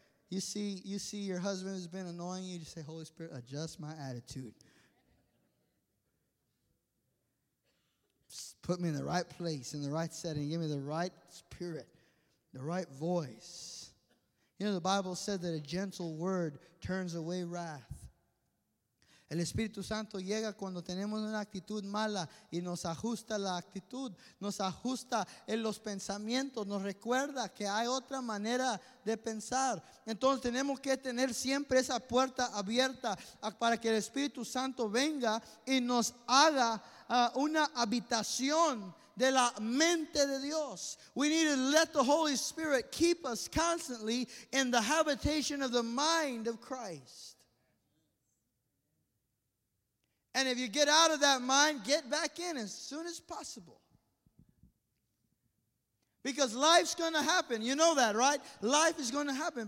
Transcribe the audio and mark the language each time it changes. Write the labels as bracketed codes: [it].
[en] You see your husband has been annoying you, just say, Holy Spirit, adjust my attitude. Put me in the right place, in the right setting. Give me the right spirit, the right voice. You know, the Bible said that a gentle word turns away wrath. [es] El Espíritu Santo llega cuando tenemos una actitud mala y nos ajusta la actitud, nos ajusta en los pensamientos, nos recuerda que hay otra manera de pensar. Entonces tenemos que tener siempre esa puerta abierta para que el Espíritu Santo venga y nos haga una habitación de la mente de Dios. [en] We need to let the Holy Spirit keep us constantly in the habitation of the mind of Christ. And if you get out of that mind, get back in as soon as possible. Because life's going to happen. You know that, right? Life is going to happen.